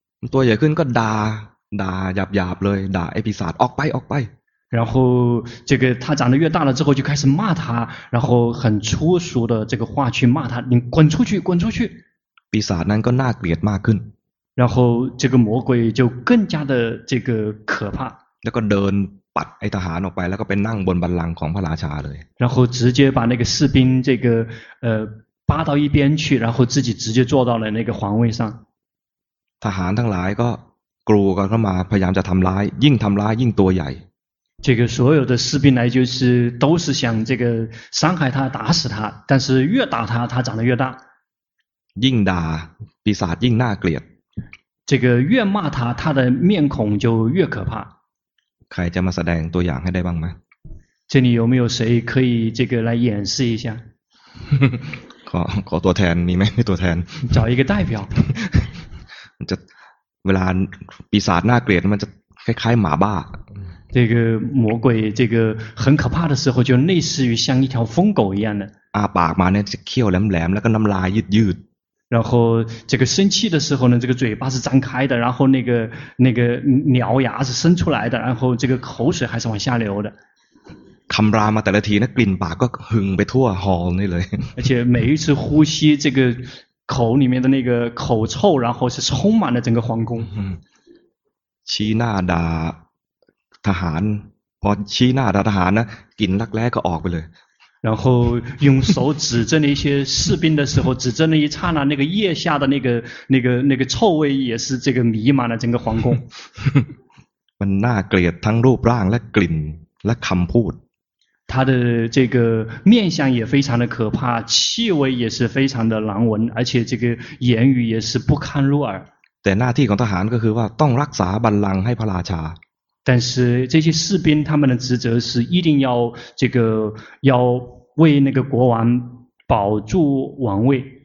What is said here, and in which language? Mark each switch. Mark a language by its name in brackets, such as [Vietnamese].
[Thai] ตัวใหญ่ขึ้นก็ด่าหยาบๆเลยด่าไอ้ปีศาจออกไป [Chinese] 然后这个他长得越大了之后就开始骂他然后很粗俗的这个话去骂他你滚出去 [Thai] ปีศาจนั้นก็น่าเกลียดมากขึ้น [Chinese] 然后这个魔鬼就更加的这个可怕 [Thai] แล้วก็เดินปัดไอ้ทหารออกไปแล้วก็ไปนั่งบนบัลลังก์ของพระราชาเลย [Chinese] 然后直接把那个士兵这个扒到一边去然后自己直接坐到了那个皇位上 [Thai] ทหารทั้งหลายก็กลัวกันเข้ามาพยายามจะทำร้ายยิ่งทำร้ายยิ่งตัวใหญ่ [Chinese] 这个所有的士兵来就是都是想这个伤害他打死他但是越打他他长得越大 [Thai] ยิ่งด่าปีศาจยิ่งน่าเกลียด [Chinese] 这个越骂他他的面孔就越可怕 [Thai] ใครจะมาแสดงตัวอย่างให้ได้บ้างไหม [Chinese] 这里有没有谁可以这个来演示一下 [Thai] ขอตัวแทนมีไหมตัวแทน [Chinese] 找一个代表 ต [Thai] จะเวลาปีศาจน่าเกลียดมันจะคล้ายๆหมาบ้า [Chinese] 这个魔鬼这个很可怕的时候就类似于像一条疯狗一样的 [Thai] อาปากมาเนี่ยจะเคี้ยวแหลมๆแล้วก็น้ำลายยืด [Chinese] ๆ然后这个生气的时候呢这个嘴巴是张开的然后那个獠牙是伸出来的然后这个口水还是往下流的 [Thai] คำรามมาแต่ละทีนะกลิ่นปากก็หึงไปทั่วฮอลล์นี่เลย [Chinese] 而且每一次呼吸这个口里面的那个口臭然后是充满了整个皇宫 [Thai] ชี้หน้าด่าทหารพอชี้หน้าด่าทหารนะกลิ่นรักแร้ก็ออกไปเลย [Chinese] 然后用手指着那些士兵的时候指着那一刹那那个腋下的那个臭味也是这个弥漫了整个皇宫 [Thai] มันน่าเกลียดทั้งรูปร่างและกลิ่นและคำพูด [Chinese] 他的这个面相也非常的可怕气味也是非常的难闻而且这个言语也是不堪入耳 [Thai] แต่หน้าที่ของทหารก็คือว่าต้องรักษาบัลลังก์ให้พระราชา [Chinese] 但是这些士兵他们的职责是一定要这个要为那个国王保住王位